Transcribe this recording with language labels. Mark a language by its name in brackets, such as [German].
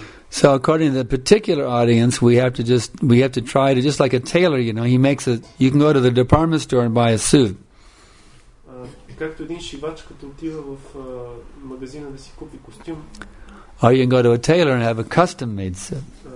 [English] So according to the particular audience, we have to try to, just like a tailor, you know, he makes a, you can go to the department store and buy a suit. [Bulgarian] както един шивач, като отива в магазина да си купи костюм. [English] Or you can go to a tailor and have a custom-made suit.